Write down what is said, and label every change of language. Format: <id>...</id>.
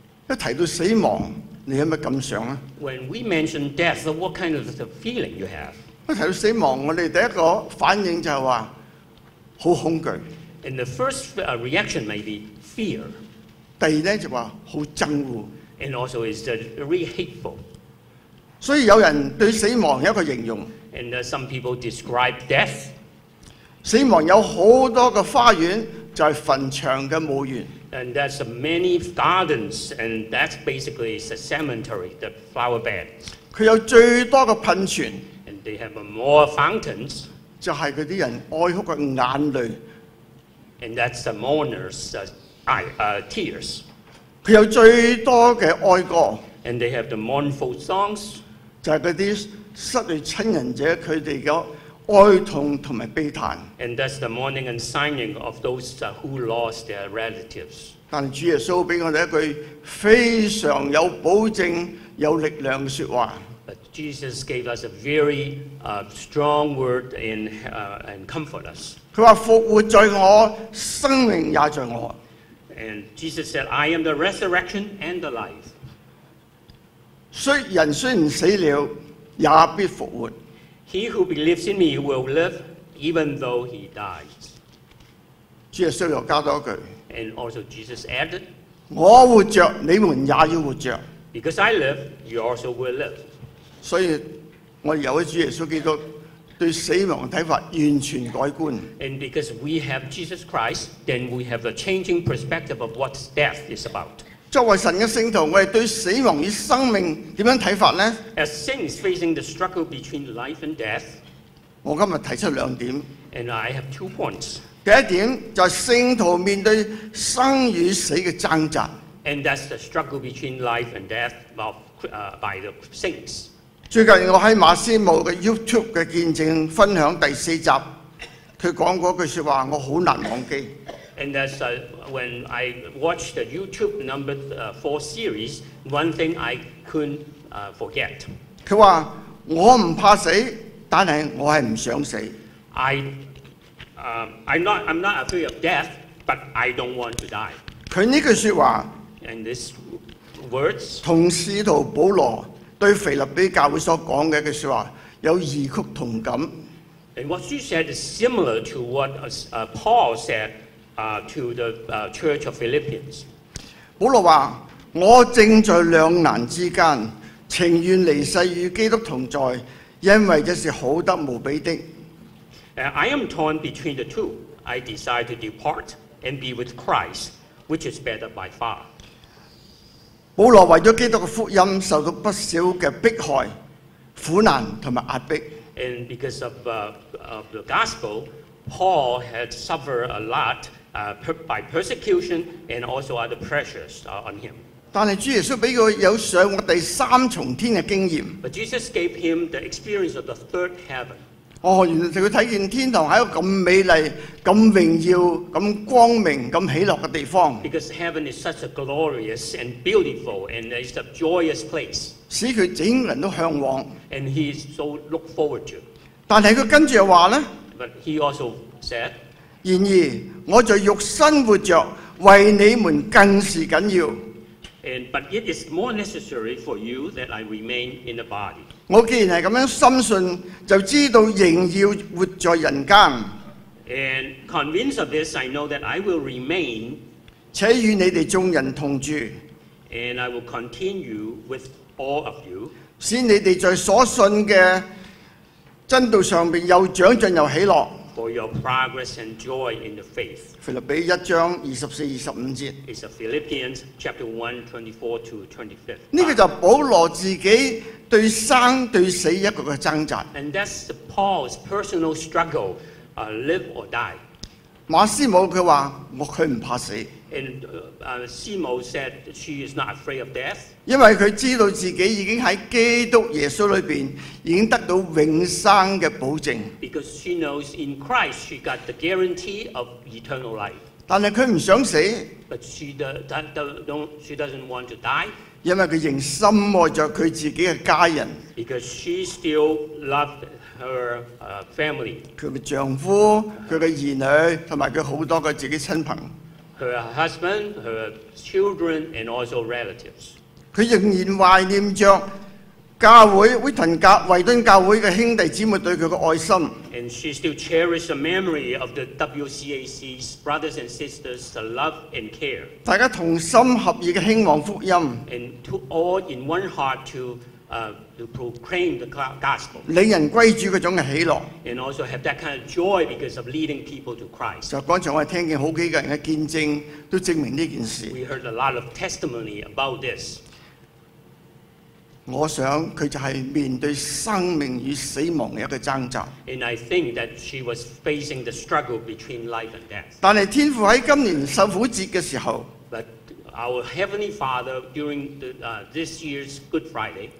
<yue>一提到死亡，你有乜感想啊</yue> <en>？When we mention death, what kind of the feeling you have?</en> <yue>一提到死亡，我哋第一個反應就係話好恐懼。</yue> <en>And the first reaction may be fear。</en> <yue>第二咧就話好憎惡。</yue> <en>And also is very hateful。</en> <yue>所以有人對死亡有一個形容。</yue> <en>And some people describe death。</en> <yue>死亡有好多個花園，就係墳場嘅墓園。</yue> <en>And there's many gardens, and that's basically a cemetery, the flower bed。</en> <yue>佢有最多嘅噴泉。</yue> <en>They have more fountains.</en> <yue>就係嗰啲人哀哭嘅眼淚。</yue> <en>And that's the mourners' tears.</en> <yue>佢有最多嘅哀歌。</yue> <en>And they have the mournful songs.</en> <yue>就係嗰啲失去親人者佢哋嘅哀痛同埋悲嘆。</yue> <en>And that's the mourning and sighing of those who lost their relatives.</en> <yue>但主耶穌俾我哋一句非常有保證、有力量嘅説話。</yue> <en>But Jesus gave us a very strong word and comfort us.</en> <yue>他說復活在我，生命也在我。</yue> <en>And Jesus said, I am the resurrection and the life.</en> <yue>雖人雖然死了，也必復活。</yue> <en>He who believes in me will live even though he dies.</en> <yue>主耶穌又加多一句。</yue> <en>And also Jesus added,</en> <yue>我活着，你們也要活着。</yue> <en>Because I live, you also will live.</en> <yue>所以我有了主耶穌基督對死亡嘅睇法完全改觀。</yue> <en>And because we have Jesus Christ, then we have a changing perspective of what death is about.</en> <yue>作為神嘅聖徒，我哋對死亡與生命點樣睇法呢</yue> <en>？As saints facing the struggle between life and death,</en> <yue>我今日提出兩點。</yue> <en>And I have two points.</en> <yue>第一點就係聖徒面對生與死嘅掙扎。</yue> <en>And that's the struggle between life and death of, by the saints.</en> <yue>最近我在马斯姆的 YouTube 的见证分享第四集，他讲过一句说话，我好难忘记。</yue> <en>And that's when I watched the YouTube number four series, one thing I couldn't forget.</en> <yue>他说我不怕死，但是我是不想死。</yue> <en>I'm not afraid of death, but I don't want to die.</en> <yue>他这句说话</yue> <en>And this words,</en> <yue>同使徒保罗对腓立比教会所讲嘅句说话有异曲同感。</yue> <en>And what you said is similar to what Paul said to the church of Philippians.</en> <yue>保罗话：我正在两难之间，情愿离世与基督同在，因为这是好得无比的。</yue> <en>I am torn between the two. I decide to depart and be with Christ, which is better by far.</en> <yue>保罗为了基督的福音受到不少的迫害、苦难和压迫。</yue> <en>And because of the gospel, Paul had suffered a lot by persecution and also other pressures on him.</en> <yue>但是主耶稣给他有上过第三重天的经验。</yue> <en>But Jesus gave him the experience of the third heaven.</en> <yue>哦，原来他看见天堂是一个这么美丽、这么荣耀、这么光明、这么喜乐的地方。</yue> <en>Because heaven is such a glorious and beautiful and it's a joyous place.</en> <yue>使他整个人都向往。</yue> <en>And he is so look forward to.</en> <yue>但是他跟着又说呢</yue> <en>But he also said,</en> <yue>然而我在肉身活着为你们更是紧要。</yue> <en>And, but it is more necessary for you that I remain in the body.</en> <yue>我既然是这样深信，就知道仍要活在人间。</yue> <en>And convinced of this, I know that I will remain.</en> <yue>且与你们众人同住。</yue> <en>And I will continue with all of you.</en> <yue>使你们在所信的真道上面又长进又喜乐。</yue> <en>For your progress and joy in the faith.</en> <yue>腓立比一章二十四、二十五节。</yue> <en>It's Philippians chapter 1:24-25.</en> <yue>这个就是保罗自己。对生对死一个嘅挣扎。</yue> <en>And that's Paul's personal struggle, live or die.</en> <yue>马斯姆佢话我佢唔怕死。</yue> <en>And Simo said she is not afraid of death.</en> <yue>因为佢知道自己已经喺基督耶稣里边已经得到永生嘅保证。</yue> <en>Because she knows in Christ she got the guarantee of eternal life.</en> <yue>但系佢唔想死。</yue> <en>But she doesn't want to die.</en> <yue>因为佢仍深爱着佢自己嘅家人，</yue> <en>she still loved her, family.</en> <yue>佢嘅丈夫、佢嘅儿女，同埋佢好多嘅自己亲朋。</yue> <en>Her husband, her children, and also relatives.</en> <yue>佢仍然怀念着教会威顿教维敦教会嘅兄弟姊妹对佢嘅爱心。</yue> <en>And she still cherishes the memory of the WCAC's brothers and sisters' love and care.</en> <yue>大家同心合意嘅兴旺福音。</yue> <en>And to all in one heart to proclaim the gospel.</en> <yue>令人归主嗰种嘅喜乐。</yue> <en>And also have that kind of joy because of leading people to Christ.</en> <yue>就刚才我哋听见好几个人嘅见证，都证明呢件事。</yue> <en>We heard a lot of testimony about this.</en> <yue>我想佢就係面對生命與死亡嘅一個掙扎。</yue> <en>And I think that she was facing the struggle between life and death.</en> <yue>但係天父喺今年受苦節嘅時候</yue> <en>，But our heavenly Father during the, this year's Good Friday</en>